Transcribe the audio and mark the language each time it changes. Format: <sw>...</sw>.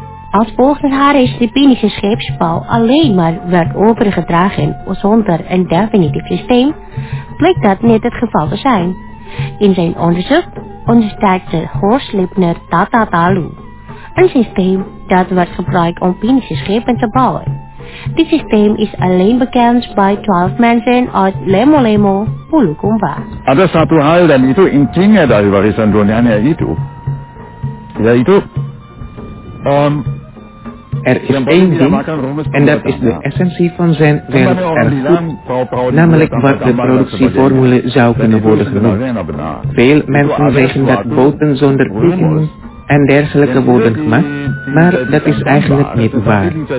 <nl>Als volgens haar is de Pinische scheepsbouw alleen maar werd overgedragen zonder een definitief systeem, blijkt dat niet het geval te zijn. In zijn onderzoek ondersteunde Horst Liebner Tata Talu, een systeem dat werd gebruikt om Pinische schepen te bouwen. Dit systeem is alleen bekend bij 12 mensen uit Lemo Lemo, Pulukumba.</nl> <id>Ada satu hal dan itu intinya dari warisan dunianya itu, yaitu</id> <nl>Er is één ding, en dat is de essentie van zijn werk erfgoed, namelijk wat de productieformule zou kunnen worden genoemd. Veel mensen zeggen dat boten zonder tekeningen en dergelijke worden gemaakt, maar dat is eigenlijk niet waar.</nl>